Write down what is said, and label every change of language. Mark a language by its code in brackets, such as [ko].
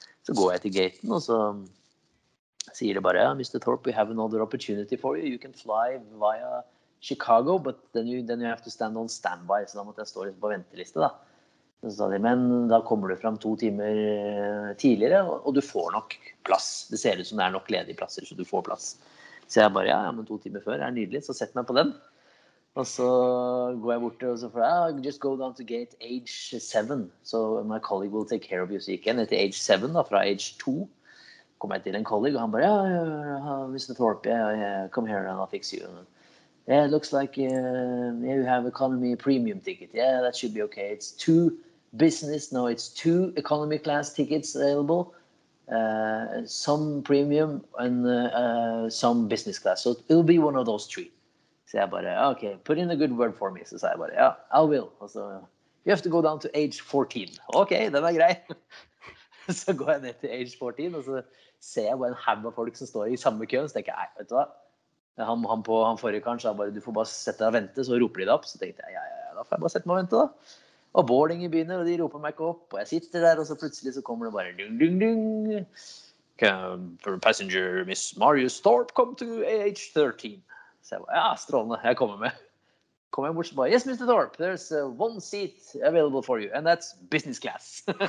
[no] Så går jeg til gaten, og så sier det bare, Mr. [en] Thorpe, we have another opportunity for you. You can fly via Chicago, but then you have to stand on standby. [no] Så da måtte jeg stå på venteliste. Da. Så sa de, men da kommer du fram 2 timer tidligere, og du får nok plass. Det ser ut som det nok ledige plasser, så du får plass. Så jeg bare, ja, men 2 timer før nydelig, så sett meg på den. Og så går jeg bort og så får jeg, [en] just go down to gate age 7, so my colleague will take care of you, [no] så gikk jeg til age 7 da, fra age 2, kom jeg til en colleague, og han bare, Mr. Thorpe, come here and I'll fix you. [en] Yeah, it looks like you have economy premium ticket, yeah, that should be okay, it's 2 business, no, it's 2 economy class tickets available, some premium and some business class, so it'll be one of those 3. [no] Så jeg bare, [en] ok, put in a good word for me. [no] Så sa jeg bare, ja, [en] I will. [no] Og så, [en] you have to go down to age 14. [no] Ok, den grei. Så går jeg ned til age 14, og så ser jeg hvor en hev av folk som står I samme køen. Så tenker jeg, vet du hva? Han forrige karen sa bare, du får bare sette deg og vente, så roper de det opp. Så tenkte jeg, ja, da får jeg bare sette meg og vente da. Og boardingen begynner, og de roper meg ikke opp. Og jeg sitter der, og så plutselig så kommer det bare, dung, dung, dung. [en] For passenger, Miss Marius Thorpe, come to age 13. [no] Så jeg bare, ja, strålende, jeg kommer med. Kommer jeg bort, så bare, [en] yes, Mr. Thorpe, there's 1 seat available for you, and that's business class.